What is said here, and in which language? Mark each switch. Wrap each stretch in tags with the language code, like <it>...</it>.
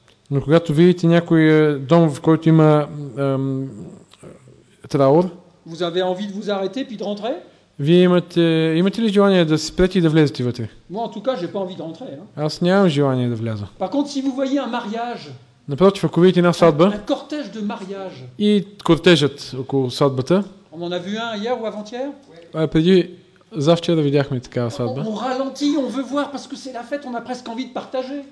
<bg>Но когато видите някой дом, в който има траур,</bg> <fr>vous avez envie de vous arrêter, puis de rentrer?</fr> <bg>Вие имате ли желание да се спрете и да влезете вътре?</bg> <fr>Moi, en tout cas, j'ai pas envie de rentrer, hein.</fr> <bg>Аз нямам желание да вляза.</bg> <fr>Par contre, si vous voyez un mariage,</fr> <bg>напротив, ако видите една сватба</bg> <fr>un cortège de mariage,</fr> <bg>и кортежът около сватбата,</bg> <fr>on en a vu un hier ou avant-hier?</fr> <bg>Преди завчера видяхме такава сватба.</bg> <fr>On ralentit, on veut voir parce que c'est la fête, on a presque envie de partager.</fr>